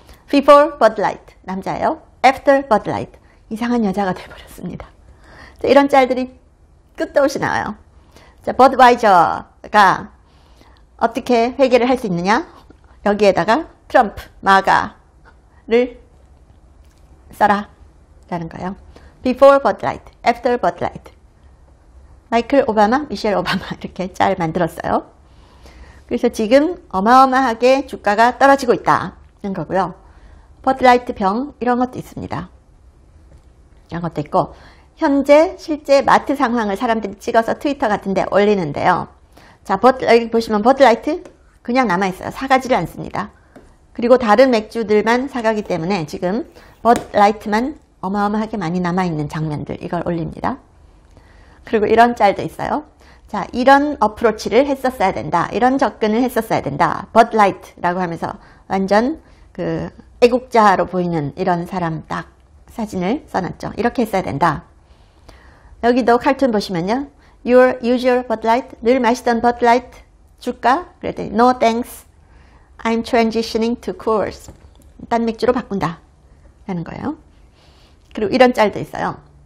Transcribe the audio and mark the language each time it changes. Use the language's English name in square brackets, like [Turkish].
[Korean] Before 버드라이트, 남자예요. After 버드라이트, 이상한 여자가 돼버렸습니다. 자, 이런 짤들이 끝도 없이 나와요. 자, 버드와이저가 어떻게 회계를 할수 있느냐? 여기에다가 트럼프, 마가를 써라 라는 거예요. [English] Before Bud Light, After Bud Light. [Korean] 마이클 오바마, 미셸 오바마 이렇게 잘 만들었어요. 그래서 지금 어마어마하게 주가가 떨어지고 있다는 거고요. 버드라이트 병 이런 것도 있습니다. 이런 것도 있고 현재 실제 마트 상황을 사람들이 찍어서 트위터 같은 데 올리는데요. 자, 여기 보시면 버드라이트 그냥 남아있어요. 사가지를 않습니다. 그리고 다른 맥주들만 사가기 때문에 지금 버드라이트만 어마어마하게 많이 남아있는 장면들 이걸 올립니다. 그리고 이런 짤도 있어요. 자, 이런 어프로치를 했었어야 된다. 이런 접근을 했었어야 된다. 버드라이트라고 하면서 완전 그 애국자로 보이는 이런 사람 딱 사진을 써놨죠. 이렇게 했어야 된다. 여기도 카툰 보시면요. [English] Your usual [Korean] Bud Light, 늘 마시던 Bud Light 줄까? [English] 그랬더니 No thanks, I'm transitioning to Coors. [Korean] 딴 맥주로 바꾼다 라는 거예요. 그리고 이런 짤도 있어요.